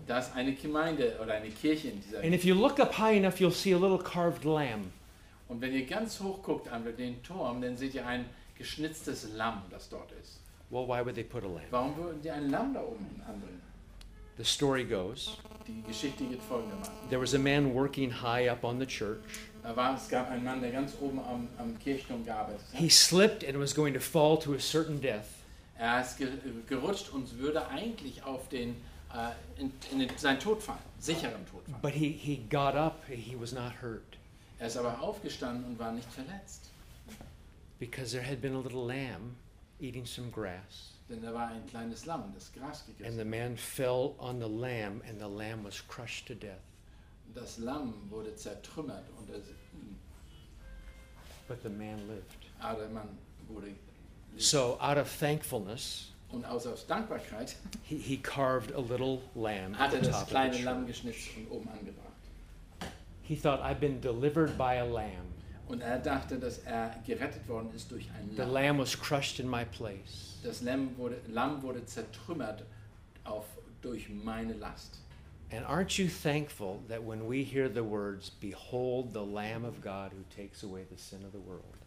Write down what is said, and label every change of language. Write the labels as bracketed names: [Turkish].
[German] Da ist eine Gemeinde oder eine Kirche in dieser. [English] And if you look up high enough, you'll see a little carved lamb. [German] Und wenn ihr ganz hoch guckt an den Turm, dann seht ihr ein geschnitztes Lamm, das dort ist. [English] Well, why would they put a lamb? [German] Warum würden die ein Lamm da oben anbringen? [English] The story goes. [German] Die Geschichte geht folgendermaßen. [English] There was a man working high up on the church. [German] Es gab einen Mann, der ganz oben am Kirchturm gearbeitet hat. [English] He slipped and was going to fall to a certain death. [German] Er ist gerutscht und würde eigentlich auf den seinen Tod fallen, sicheren Tod fallen. [English] But he got up, he was not hurt. [German] Er ist aber aufgestanden und war nicht verletzt. [English] Because there had been a little lamb eating some grass. [German] Denn da war ein kleines Lamm, das Gras gegessen. [English] And the man fell on the lamb and the lamb was crushed to death. [German] Das Lamm wurde zertrümmert und es. [English] But the man lived. [German] Aber der Mann wurde. [English] So out of thankfulness, [German] und aus Dankbarkeit, [English] he carved a little lamb [German] hat er [English] at the top [German] das kleine [English] of the [German] Lamm geschnitzt und oben angebracht. [English] He thought, I've been delivered by a lamb. [German] Und er dachte, dass er gerettet worden ist durch ein Lamm. [English] The lamb was crushed in my place. [German] Das Lamm wurde zertrümmert durch meine Last. [English] And aren't you thankful that when we hear the words, "Behold, the Lamb of God who takes away the sin of the world"?